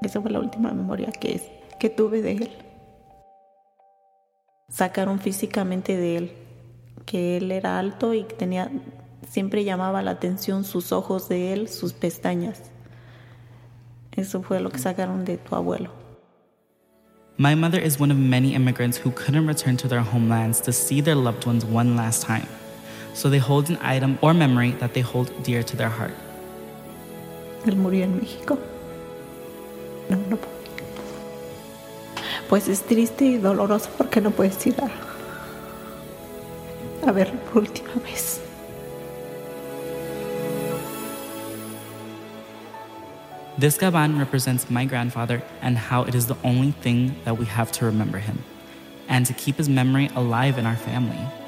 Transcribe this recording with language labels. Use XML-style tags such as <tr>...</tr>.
<es>Esa fue la última memoria que tuve de él. Sacaron físicamente de él, que él era alto y tenía, siempre llamaba la atención sus ojos de él, sus pestañas. Eso fue lo que sacaron de tu abuelo.</es> <en>My mother is one of many immigrants who couldn't return to their homelands to see their loved ones one last time. So they hold an item or memory that they hold dear to their heart.</en> <es>Él murió en México. No. Pues es triste y doloroso porque no puedes ir a verlo por última vez.</es> <en>This gabán represents my grandfather and how it is the only thing that we have to remember him and to keep his memory alive in our family.</en>